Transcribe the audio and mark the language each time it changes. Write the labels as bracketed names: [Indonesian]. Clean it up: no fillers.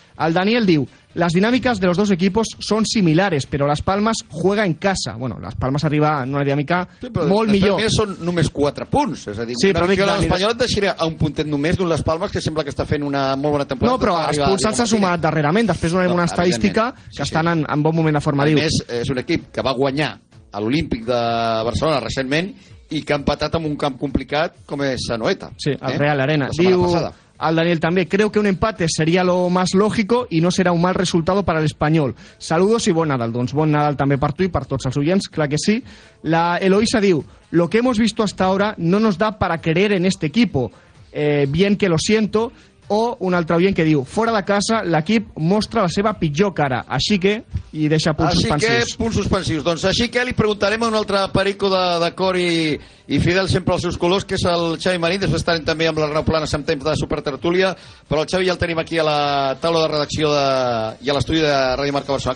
[Catalan] El Daniel diu, [Spanish] las dinámicas de los dos equipos son similares, pero Las Palmas juega en casa. Bueno, Las Palmas arriba en una dinámica [Catalan] molt millor. Les Palmes són només 4 punts. És a dir, sí, però que l'Espanyol et deixaria a un puntet només d'un Las Palmes, que sembla que està fent una molt bona temporada. No, però els punts s'han sumat darrerament. Després donarem una estadística que estan en bon moment de forma. A més, és un equip que va guanyar a l'Olímpic de Barcelona recentment i que ha empatat amb un camp complicat com és Anoeta. Sí, el Real Arena. Diu... al Daniel també. [Spanish] Creo que un empate sería lo más lógico y no será un mal resultado para el Español. Saludos y buen Nadal. [Catalan] Doncs buen Nadal també per tu i per tots els oients, clar que sí. La Eloisa diu, [Spanish] lo que hemos visto hasta ahora no nos da para creer en este equipo. Bien que lo siento. [Catalan] O un altre oient que diu, fora de casa, l'equip mostra la seva pitjor cara. Així que, i deixa punts així suspensius. Així que, punts suspensius. Doncs així que li preguntarem a un altre perico de cor i fidel sempre als seus colors, que és el Xavi Marín. Després estarem també amb l'Arnau Planas amb temps de Supertertúlia. Però el Xavi ja el tenim aquí a la taula de redacció de, i a l'estudi de Ràdio Marca Barcelona.